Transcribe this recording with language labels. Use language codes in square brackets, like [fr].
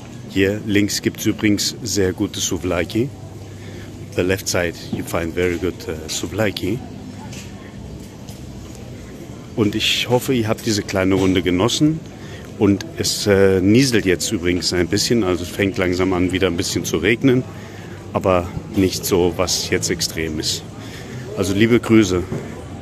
[de] Hier links gibt es übrigens sehr gute Souvlaki. [en] The left side you find very good Souvlaki. [de] Und ich hoffe, ihr habt diese kleine Runde genossen. Und es nieselt jetzt übrigens ein bisschen, also es fängt langsam an, wieder ein bisschen zu regnen. Aber nicht so, was jetzt extrem ist. Also liebe Grüße.